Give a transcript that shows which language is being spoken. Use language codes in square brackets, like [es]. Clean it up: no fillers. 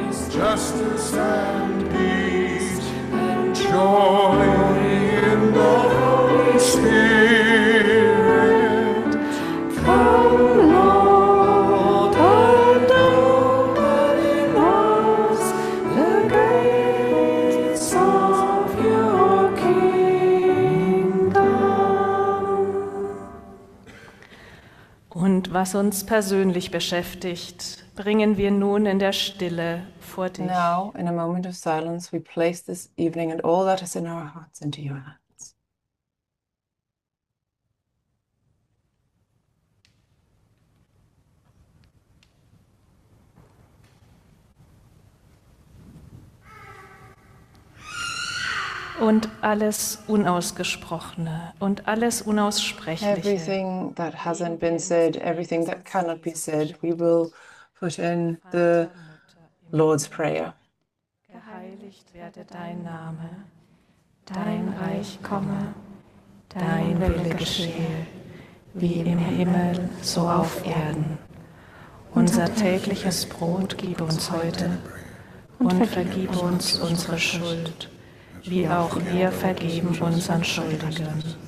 [en] Justice and peace. Joy in the Holy Spirit. Come, Lord, and open in us the gates of your kingdom. [de] Und was uns persönlich beschäftigt, bringen wir nun in der Stille vor dich. [en] Now, in a moment of silence, we place this evening and all that is in our hearts into your hands. [de] Und alles Unausgesprochene und alles Unaussprechliche. [en] Everything that hasn't been said, everything that cannot be said, we will put in the Lord's Prayer. [de] Geheiligt werde dein Name, dein Reich komme, dein Wille geschehe, wie im Himmel, so auf Erden. Unser tägliches Brot gib uns heute und vergib uns unsere Schuld, wie auch wir vergeben unseren Schuldigen.